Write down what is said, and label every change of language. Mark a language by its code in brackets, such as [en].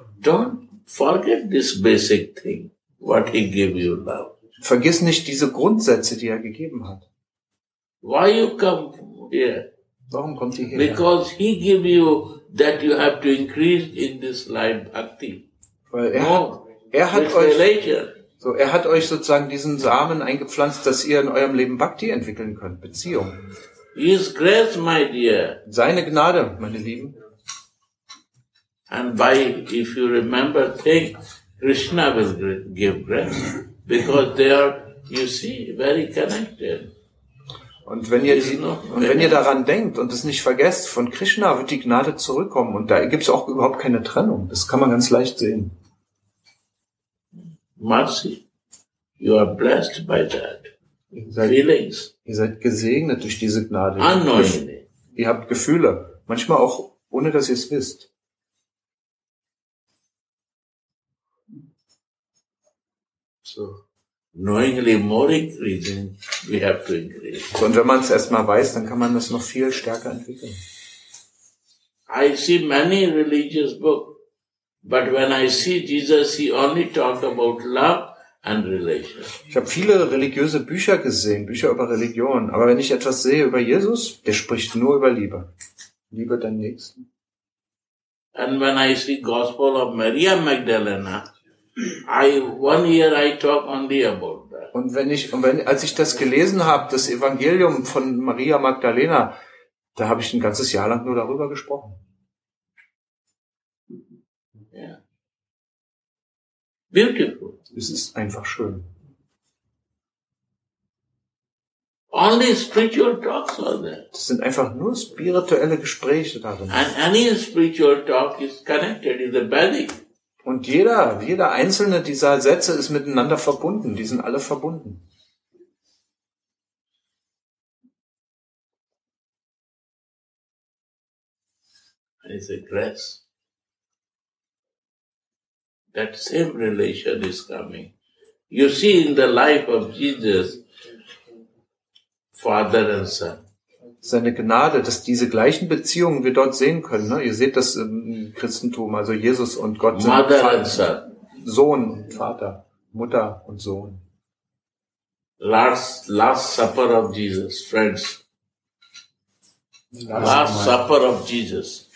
[en] Don't forget this basic thing, what he gave you love. [de] Vergiss nicht diese Grundsätze, die er gegeben hat. [en] Why you come here? [de] Warum kommt ihr hierher? [en] Because he gave you that you have to increase in this life bhakti. [de] Weil er hat euch sozusagen diesen Samen eingepflanzt, dass ihr in eurem Leben Bhakti entwickeln könnt, Beziehung. [en] His grace, my dear. [de] Seine Gnade, meine Lieben. [en] And why, if you remember, think Krishna will give grace. Because they are, you see, very connected. [de] Und wenn ihr daran denkt und es nicht vergesst, von Krishna wird die Gnade zurückkommen. Und da gibt es auch überhaupt keine Trennung. Das kann man ganz leicht sehen. [en] Mercy. You are blessed by that. Feelings. [de] Ihr seid gesegnet durch diese Gnade. [en] Unknowingly. [de] Ihr habt Gefühle. Manchmal auch, ohne dass ihr es wisst. [en] So. Knowingly more increasing, we have to increase. [de] So, und wenn man es erstmal weiß, dann kann man das noch viel stärker entwickeln. [en] I see many religious books. But when I see Jesus, he only talked about love and relation. [de] Ich habe viele religiöse Bücher gesehen, Bücher über Religion. Aber wenn ich etwas sehe über Jesus, der spricht nur über Liebe. Liebe deinen Nächsten. [en] And when I see Gospel of Maria Magdalena, one year I talk only about that. [de] Und als ich das gelesen habe, das Evangelium von Maria Magdalena, da habe ich ein ganzes Jahr lang nur darüber gesprochen. [en] Beautiful. [de] Es ist einfach schön. [en] Only spiritual talks are there. [de] Das sind einfach nur spirituelle Gespräche darin. [en] And any spiritual talk is connected in the belly. [de] Und jeder einzelne dieser Sätze ist miteinander verbunden. Die sind alle verbunden. [en] It's a grace. That same relation is coming. You see in the life of Jesus, Father and Son. [de] Seine Gnade, dass diese gleichen Beziehungen wir dort sehen können. Ne? Ihr seht das im Christentum, also Jesus und Gott sind [en] Mother and Son. [de] Sohn und Vater, Mutter und Sohn. [en] Last Supper of Jesus, friends. Last Supper of Jesus.